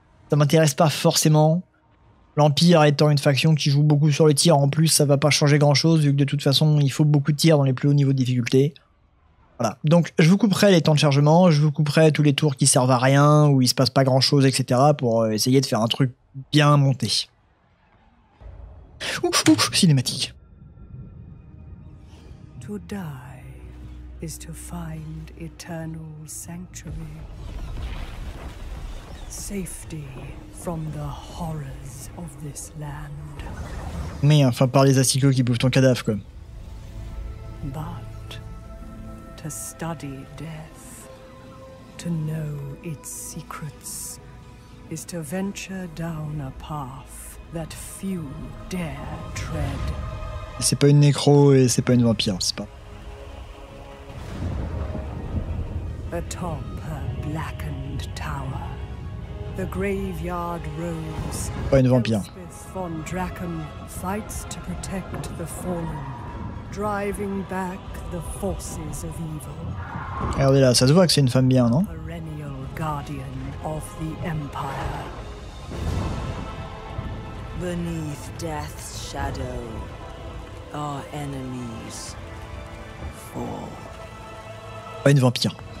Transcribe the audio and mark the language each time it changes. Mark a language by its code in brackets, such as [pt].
[fr] Ça m'intéresse pas forcément. L'Empire étant une faction qui joue beaucoup sur le tir, en plus, ça va pas changer grand-chose, vu que de toute façon, il faut beaucoup de tirs dans les plus hauts niveaux de difficulté. Voilà. Donc, je vous couperai les temps de chargement, je vous couperai tous les tours qui servent à rien, où il se passe pas grand-chose, etc., pour essayer de faire un truc bien monté. Ouf, cinématique. [en] To die is to find eternal sanctuary. Safety from the horrors of this land. [fr] Mais enfin, par les asticots qui bouffent ton cadavre, quoi. [en] But to study death, to know its secrets, is to venture down a path that few dare tread. [fr] C'est pas une nécro et c'est pas une vampire, c'est pas. [en] Atop a blackened tower, the graveyard rose. [fr] Pas une vampire. [en] Von Drachen fights to protect the fallen, driving back the forces of evil. [fr] Regardez là, ça se voit que c'est une femme bien, non? [en] Perennial guardian of the Empire. Beneath death's shadow, our enemies fall. [fr] Pas une vampire.